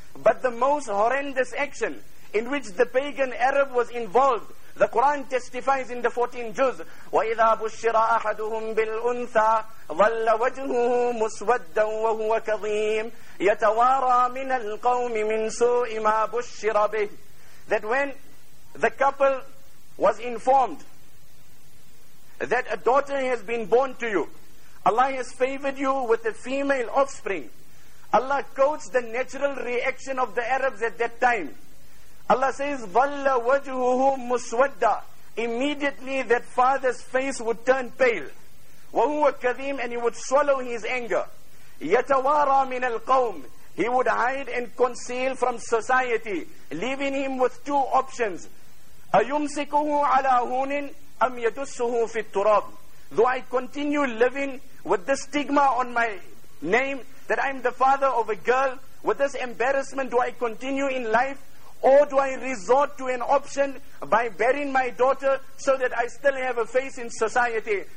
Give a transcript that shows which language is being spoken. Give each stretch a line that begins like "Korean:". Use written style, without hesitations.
English: But the most horrendous action in which the pagan Arab was involved, the Quran testifies in the 14 juz,
Arabic: وَإِذَا بُشِّرَ أَحَدُهُمْ بِالْأُنْثَى ظَلَّ وَجْهُهُ مُسْوَدًّا وَهُوَ كَظِيمٌ يَتَوَارَى مِنَ الْقَوْمِ مِنْ سُوءِ مَا بُشِّرَ بِهِ.
English: That when the couple was informed that a daughter has been born to you, Allah has favored you with a female offspring, Allah quotes the natural reaction of the Arabs at that time. Allah says,
Arabic: ظَلَّ وَجْهُهُ مُسْوَدًّا.
English: Immediately that father's face would turn pale.
Arabic: وَهُوَ كَذِيمٌ.
English: And he would swallow his anger.
Arabic: يَتَوَارَى مِنَ الْقَوْمِ.
English: He would hide and conceal from society, leaving him with two options.
Arabic: أَيُمْسِكُهُ عَلَى هُونٍ أَمْ يَدُسُّهُ فِي التُّرَابِ.
English: Do I continue living with this stigma on my name that I'm the father of a girl? With this embarrassment, do I continue in life? Or do I resort to an option by burying my daughter so that I still have a face in society?